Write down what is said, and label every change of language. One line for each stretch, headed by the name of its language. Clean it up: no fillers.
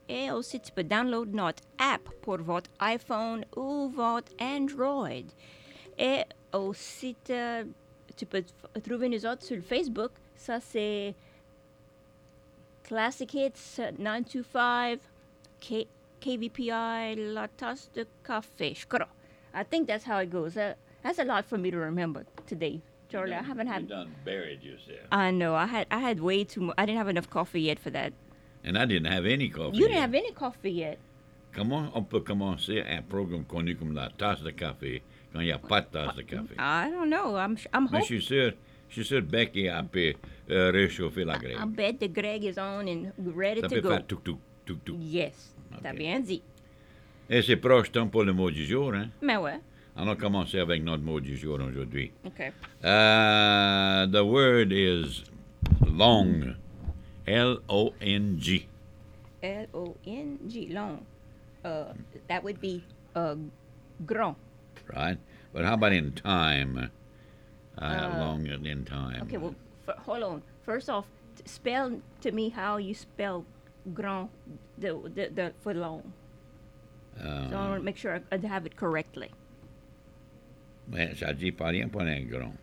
French: Et aussi, tu peux download notre app pour votre iPhone ou votre Android. Et aussi, tu peux trouver nous autres sur Facebook. Ça, c'est Classic Hits 925 KVPI La Tasse de Café, je crois.
English: I think that's how it goes. That's a lot for me to remember today, Charlie. You've buried yourself. I know. I had way too much. I didn't have enough coffee yet for that. And I didn't have any coffee. You didn't have any coffee yet.
French: Comment on peut commencer un programme connu comme la tasse de café quand il n'y a pas de tasse de café?
English: I don't know. I'm hoping.
French: Mais je suis sûr Becky a pu réchauffer la Greg.
English: I bet the Greg is on and ready
French: ça
English: to go.
French: Ça peut faire tuk-tuk.
English: Yes. Okay.
French: T'as bien dit. Et c'est proche temps pour le mot du jour, hein? Mais ouais. On a commencé avec notre mot du jour aujourd'hui.
English: OK. The word is long. L-O-N-G. L-O-N-G, long. That would be grand. Right. But how about in time? Long in time. OK, well, hold on. First off, spell to me how you spell grand the for long. So I want to make sure I have it correctly.
French: Mais ça dit pas rien pour un grand.